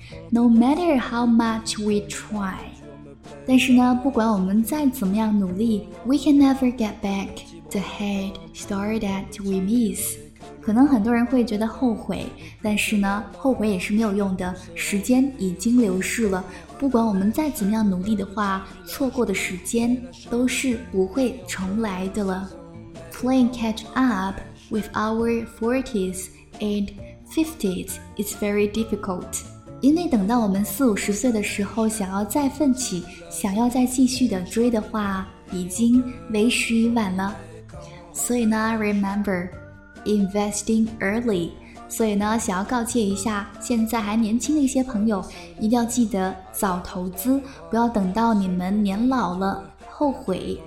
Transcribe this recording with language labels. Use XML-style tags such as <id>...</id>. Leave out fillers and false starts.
<en>No matter how much we try,</en> <zh>但是呢，不管我们再怎么样努力，</zh> <en>We can never get back the head start that we miss.</en> <zh>可能很多人会觉得后悔，但是呢，后悔也是没有用的，时间已经流逝了，不管我们再怎么样努力的话，错过的时间都是不会重来的了。</zh> <en>Playing catch up with our 40s and 50s is very difficult.</en> <zh>因为等到我们四五十岁的时候，想要再奋起，想要再继续的追的话，已经为时已晚了。所以呢，</zh> <en>rememberinvesting early,</en> <zh>所以呢，想要告诫一下现在还年轻的一些朋友，一定要记得早投资，不要等到你们年老了后悔。</zh>